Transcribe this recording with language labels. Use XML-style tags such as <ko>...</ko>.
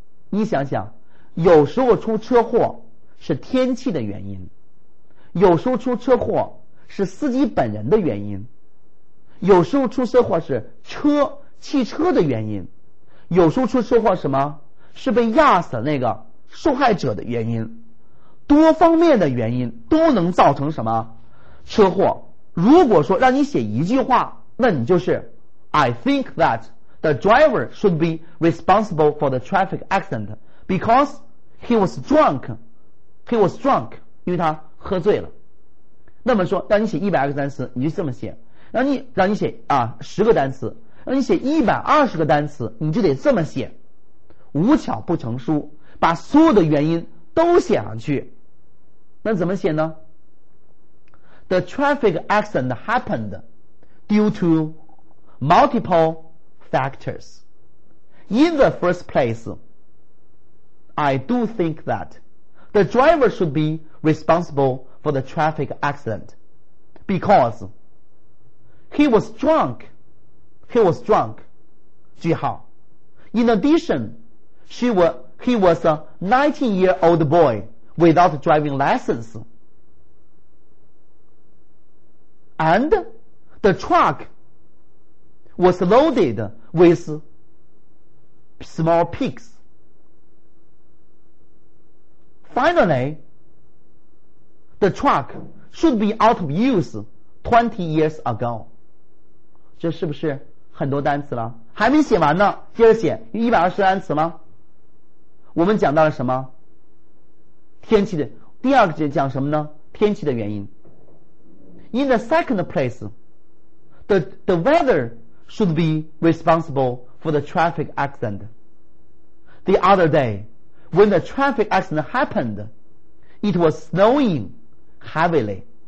<zh>你想想，有时候出车祸是天气的原因，有时候出车祸是司机本人的原因，有时候出车祸是汽车的原因，有时候出车祸什么是被压死那个受害者的原因，多方面的原因都能造成什么车祸。如果说让你写一句话，那你就是</zh> <en>I think that the driver should be responsible for the traffic accident because he was drunk. He was drunk.</en> <zh>因为他喝醉了。那么说让你写100个单词，你就这么写。让你写啊10个单词，让你写120个单词，你就得这么写。无巧不成书，把所有的原因都写上去。那怎么写呢？</zh> <en>The traffic accident happened due to multiple factors. In the first place, I do think that the driver should be responsible for the traffic accident because he was drunk. He was drunk.</en> <zh>句号。</zh> <en>In addition, he was a 19-year-old boy without driving license. And the truck was loaded with small pigs. Finally, the truck should be out of use 20 years ago.</en> <zh>这是不是很多单词了？还没写完呢，接着写，有120单词吗？我们讲到了什么？天气的，第二个节讲什么呢？天气的原因。</zh> <en>In the second place, the weather should be responsible for the traffic accident. The other day, when the traffic accident happened, it was snowing heavily.</en>